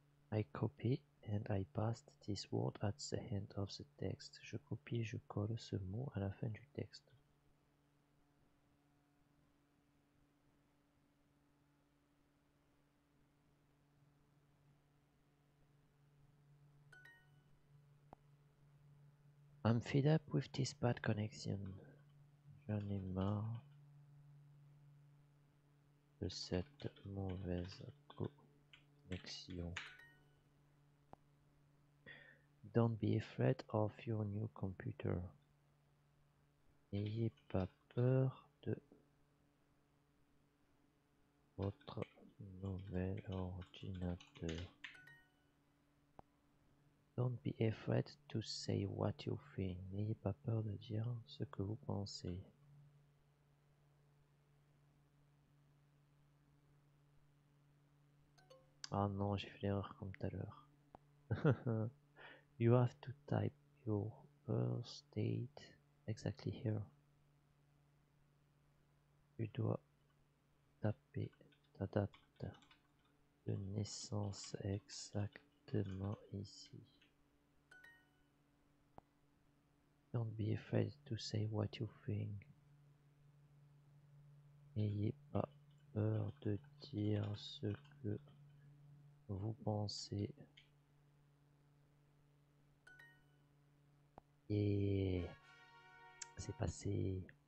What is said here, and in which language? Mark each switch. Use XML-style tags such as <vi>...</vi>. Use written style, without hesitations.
<en>I copy and I paste this word at the end of the text.</en> <fr>Je copie, je colle ce mot à la fin du texte.</fr> <en>I'm fed up with this bad connection.</en> <fr>J'en ai marre de cette mauvaise connexion.</fr> <en>Don't be afraid of your new computer.</en> <fr>N'ayez pas peur de votre nouvel ordinateur.</fr> <en>Don't be afraid to say what you think.</en> <fr>N'ayez pas peur de dire ce que vous pensez. Ah oh non, j'ai fait l'erreur comme tout à l'heure.</fr> <en>You have to type your birth date exactly here.</en> <fr>Tu dois taper ta date de naissance exactement ici.</fr> <en>Don't be afraid to say what you think.</en> <fr>N'ayez pas peur de dire ce que vous pensez. Et c'est passé.</fr>